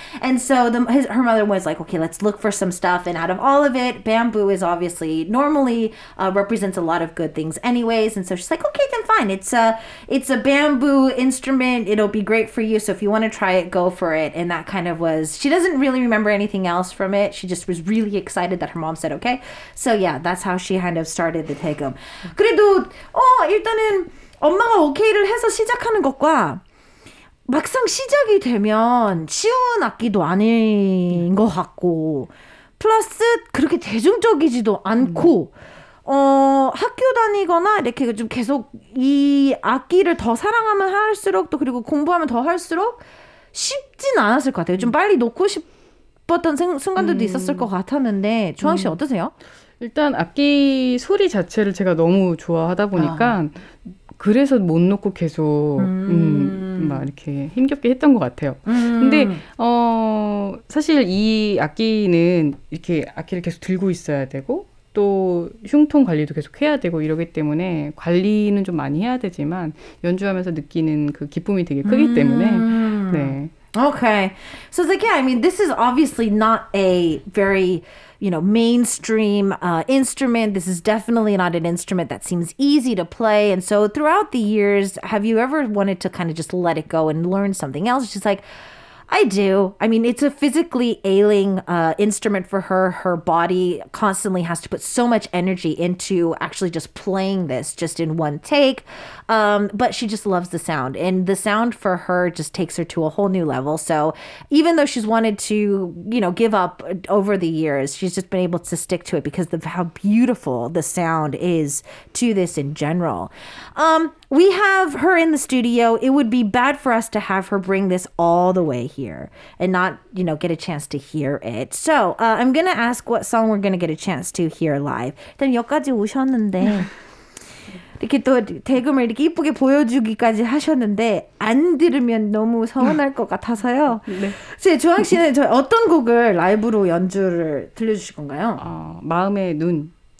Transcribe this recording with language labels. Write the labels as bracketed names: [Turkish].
[English] And so her mother was like, okay, let's look for some stuff. And out of all of it, bamboo is obviously normally represents a lot of good things anyways. And so she's like, okay, then fine. It's a bamboo instrument. It'll be great for you. So if you want to try it, go for it. And that kind of was, she doesn't really remember anything else from it. She just was really excited that her mom said, okay. So yeah, that's how she kind of started the taegeum. [Korean] 그래도, 일단은, 엄마가 오케이를 해서 시작하는 것과 막상 시작이 되면 쉬운 악기도 아닌 것 같고 플러스 그렇게 대중적이지도 않고 학교 다니거나 이렇게 좀 계속 이 악기를 더 사랑하면 할수록 또 그리고 공부하면 더 할수록 쉽진 않았을 것 같아요. 좀 빨리 놓고 싶었던 순간들도 있었을 것 같았는데 주황 씨 어떠세요? 일단 악기 소리 자체를 제가 너무 좋아하다 보니까 그래서 못 놓고 계속 막 이렇게 힘겹게 했던 것 같아요. 근데 사실 이 악기는 이렇게 악기를 계속 들고 있어야 되고 또 흉통 관리도 계속 해야 되고 이러기 때문에 관리는 좀 많이 해야 되지만 연주하면서 느끼는 그 기쁨이 되게 크기 때문에 네. [English] Okay. So it's like, yeah, I mean, this is obviously not a very, you know, mainstream instrument. This is definitely not an instrument that seems easy to play. And so throughout the years, have you ever wanted to kind of just let it go and learn something else? She's like, I do. I mean, it's a physically ailing instrument for her. Her body constantly has to put so much energy into actually just playing this just in one take. But she just loves the sound. And the sound for her just takes her to a whole new level. So even though she's wanted to, you know, give up over the years, she's just been able to stick to it because of how beautiful the sound is to this in general. We have her in the studio. It would be bad for us to have her bring this all the way here and not, you know, get a chance to hear it. So I'm going to ask what song we're going to get a chance to hear live. [Korean] 일단 여기까지 오셨는데 이렇게 또 대금을 이렇게 이쁘게 보여주기까지 하셨는데 안 들으면 너무 서운할 것 같아서요. 네. 주황 씨는 저 어떤 곡을 라이브로 연주를 들려주실 건가요? 마음의 눈.